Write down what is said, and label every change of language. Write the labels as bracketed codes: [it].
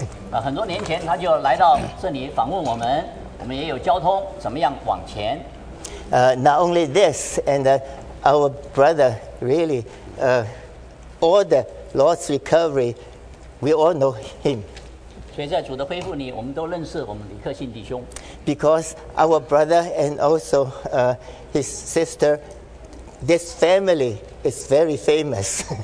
[zh] 很多年前他就来到这里访问我们，我们也有交通，怎么样往前。 [en] Not only this, and our brother really, all the Lord's recovery, we all know him. [zh] 所以在主的恢复里，我们都认识我们李克信弟兄。 [en] Because our brother and also his sister, this family is very famous.